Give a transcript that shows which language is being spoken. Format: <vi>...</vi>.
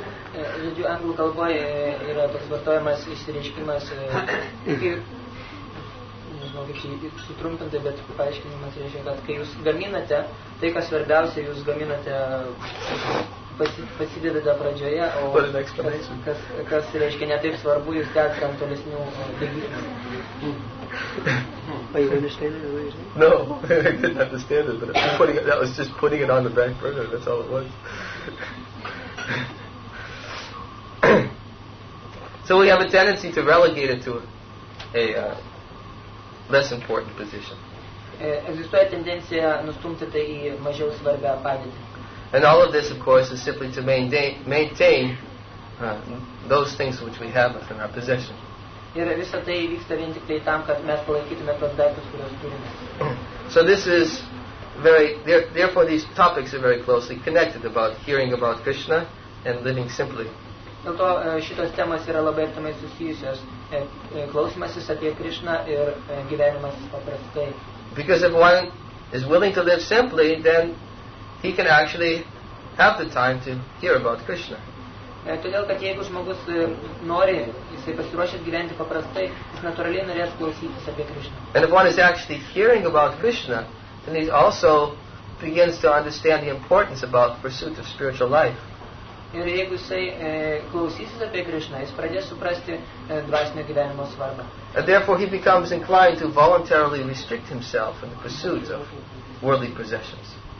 <lt>Žodžiu, anglų kalboje yra toks vartojamas išsireiškimas, nežinau, kaip sutrumpinti, bet paaiškinimas reiškia, kad kai jūs gaminate, tai kas svarbiausia, jūs gaminate, pasidedate pradžioje, o kas reiškia netaip svarbu, jūs tęs tam tolesnių dalykų.</lt> <en>Are you understanding the reason? No, I didn't understand it, but that was just putting it on the back burner, that's all it was. So we have a tendency to relegate it to a less important position.</en> <lt>Egzistuoja tendencija nustumti tai į mažiau svarbią padėtį.</lt> <en>And all of this, of course, is simply to maintain those things which we have within our possession.</en> <lt>Ir visa tai vyksta vien tik tai tam, kad mes palaikytume tos daiktus, kuriuos turime.</lt> <en>So this is very, therefore these topics are very closely connected about hearing about Krishna and living simply.</en> <lt>Dėl to šitos temos yra labai artimai susijusios. Klausimasis apie Krishna ir gyvenimas paprastai.</lt> <en>Because if one is willing to live simply, then he can actually have the time to hear about Krishna.</en> <lt>Todėl, kad jeigu žmogus nori, jisai pasiruošęs gyventi paprastai, jis natūraliai norės klausytis apie Krishna.</lt> <en>And if one is actually hearing about Krishna, then he also begins to understand the importance about the pursuit of spiritual life.</en> <lt>Ir jeigu jisai klausysis apie Krishna, jis pradės suprasti dvasinio gyvenimo svarbą.</lt> <en>And therefore he becomes inclined to voluntarily restrict himself in the pursuit of worldly possessions.</en>